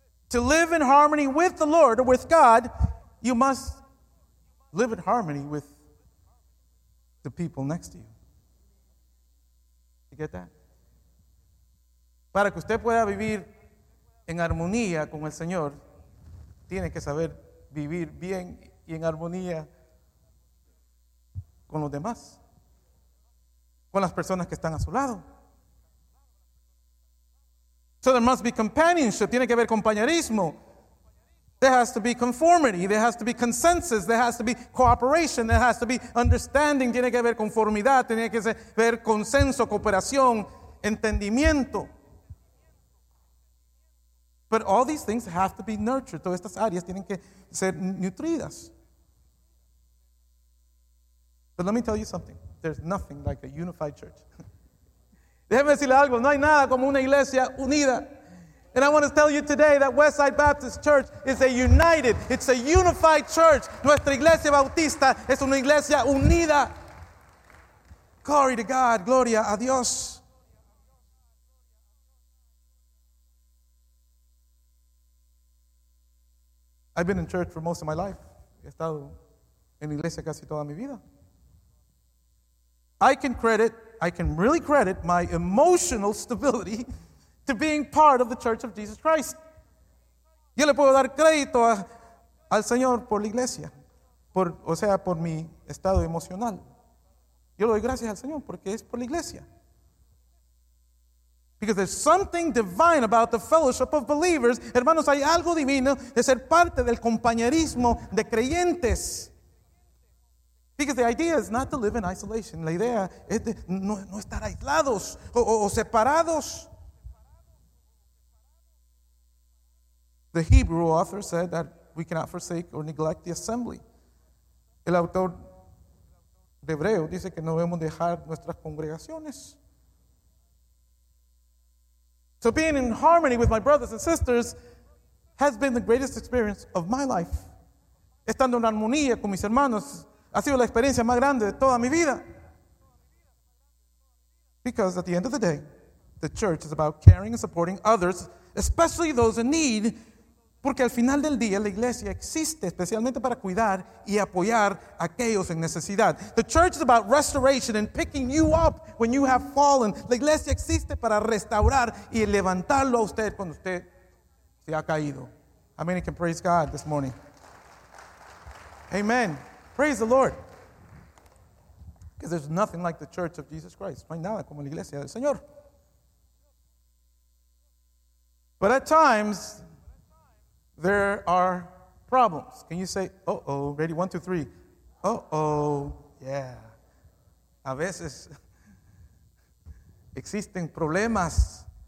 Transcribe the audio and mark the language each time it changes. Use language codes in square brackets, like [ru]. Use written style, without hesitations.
[en] To live in harmony with the Lord or with God, you must live in harmony with the people next to you. You get that? [es] Para que usted pueda vivir en armonía con el Señor, tiene que saber vivir bien y en armonía con los demás, con las personas que están a su lado. [en] So there must be companionship. [es] Tiene que haber compañerismo. [en] There has to be conformity. There has to be consensus. There has to be cooperation. There has to be understanding. [es] Tiene que haber conformidad. Tiene que haber consenso, cooperación, entendimiento. [en] But all these things have to be nurtured. [es] Todas estas áreas tienen que ser nutridas. [en] But let me tell you something. There's nothing like a unified church. [es] Déjeme decirle algo, no hay nada como una iglesia unida. [en] And I want to tell you today that Westside Baptist Church is a united, it's a unified church. [es] Nuestra iglesia bautista es una iglesia unida. [en] Glory to God, [es] gloria a Dios. [en] I've been in church for most of my life. [es] He estado en iglesia casi toda mi vida. [en] I can really credit my emotional stability to being part of the Church of Jesus Christ. [es] Yo le puedo dar crédito al Señor por la iglesia, por mi estado emocional. Yo le doy gracias al Señor porque es por la iglesia. [en] Because there's something divine about the fellowship of believers. [es] Hermanos, hay algo divino de ser parte del compañerismo de creyentes. [en] Because the idea is not to live in isolation. [es] La idea es de no estar aislados o separados. [en] The Hebrew author said that we cannot forsake or neglect the assembly. [es] El autor de Hebreo dice que no debemos dejar nuestras congregaciones. [en] So being in harmony with my brothers and sisters has been the greatest experience of my life. [es] Estando en armonía con mis hermanos ha sido la experiencia más grande de toda mi vida. [en] Because at the end of the day, the church is about caring and supporting others, especially those in need. [es] Porque al final del día, la iglesia existe especialmente para cuidar y apoyar a aquellos en necesidad. [en] The church is about restoration and picking you up when you have fallen. [es] La iglesia existe para restaurar y levantarlo a usted cuando usted se ha caído. [en] How many can praise God this morning? Amen. Praise the Lord. Because there's nothing like the Church of Jesus Christ. [es] No hay nada como la iglesia del Señor. [en] But at times, there are problems. Can you say, uh-oh, ready, 1, 2, 3. Uh-oh, yeah. [es] A veces existen problemas.